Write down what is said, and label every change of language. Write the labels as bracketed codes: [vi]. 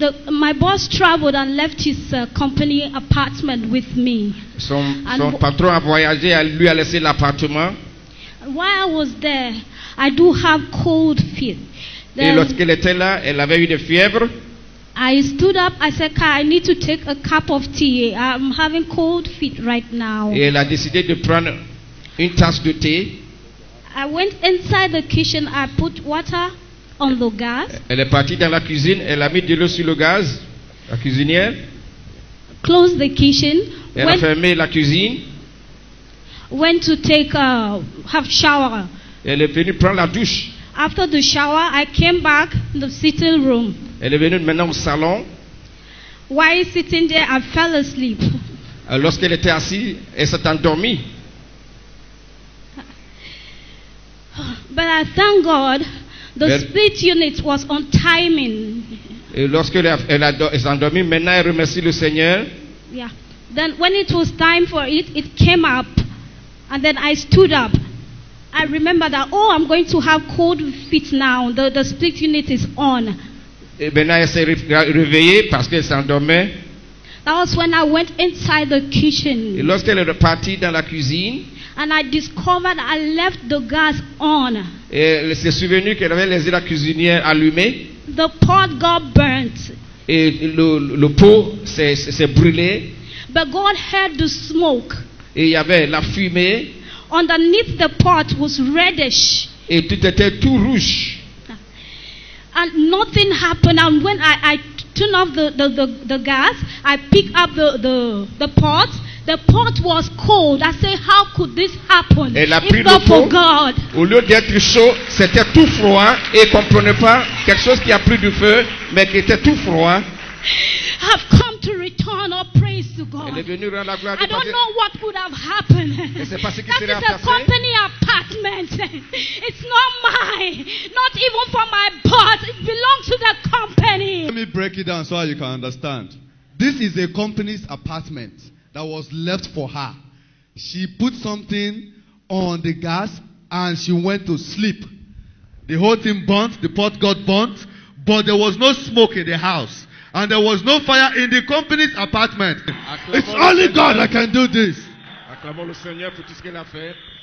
[en] My boss traveled and left his company apartment with me. [fr] Son patron a voyagé et lui a laissé l'appartement. [en] While I was there, I do have cold feet. [fr] Et lorsqu'elle était là, elle avait eu des fièvres. [en] I stood up, I said, Kai, I need to take a cup of tea. I'm having cold feet right now. [fr] Et elle a décidé de prendre une tasse de thé. [en] I went inside the kitchen, I put water on the gas. [fr] Elle est partie dans la cuisine, elle a mis de l'eau sur le gaz, la cuisinière. [en] Closed the kitchen. [fr] Elle a fermé la cuisine. [en] Went to take a half shower. [fr] Elle est venue prendre la douche. [en] After the shower, I came back in the sitting room. [fr] Elle est venue maintenant au salon. [en] While sitting there, I fell asleep. [fr] Lorsqu'elle était assise, elle s'est endormie. [en] But I thank God, the split unit was on timing. [fr] Et lorsqu'elle elle s'est endormie, maintenant elle remercie le Seigneur. [en] Yeah. Then when it was time for it, it came up. And then I stood up. I remember that, oh, I'm going to have cold feet now. The split unit is on. [fr] Et maintenant, elle s'est réveillée parce qu'elle s'endormait. [en] That was when I went inside the kitchen. [fr] Et lorsqu'elle est repartie dans la cuisine. [en] And I discovered I left the gas on. [fr] Et elle s'est souvenue qu'elle avait laissé la cuisinière allumée. [en] The pot got burnt. [fr] Et le pot s'est brûlé. [en] But God heard the smoke. [fr] Et il y avait la fumée. [en] Underneath the pot was reddish. [fr] Et tout était tout rouge. [en] And nothing happened. And when I turned off the gas, I picked up the pot. The pot was cold. I said, how could this happen? [fr] Elle a pris le pot. Au lieu d'être chaud, c'était tout froid. Et comprenez pas, quelque chose qui a pris du feu, mais qui était tout froid. [en] I've come to return all praise to God. [fr] Elle est venue rendre la gloire à Dieu. [en] I don't know what would have happened. [fr] Et c'est pas ce qui serait passé. [en] That is a company apartment. It's not mine. Not even for my boss. It belongs to the company. Let me break it down so you can understand. This is a company's apartment that was left for her. She put something on the gas and she went to sleep. The whole thing burnt, the pot got burnt, but there was no smoke in the house. And there was no fire in the company's apartment. [fr] Acclamons [en] it's only God that can do this. [fr] Acclamons le Seigneur pour tout ce qu'il a fait.